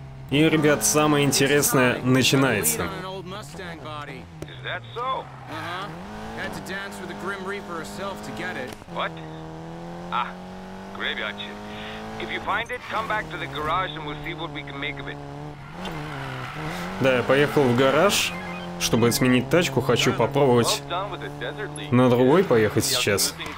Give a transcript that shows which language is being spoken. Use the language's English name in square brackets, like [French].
[Russian] И, ребят, самое интересное начинается. [English] Mustang body. Is that so? Had to dance with the Grim Reaper herself to get it. What? Ah, graveyard shift. If you find it, come back to the garage and we'll see what we can make of it. [Russian] Да, я поехал в гараж, чтобы сменить тачку. Хочу попробовать на другой поехать сейчас.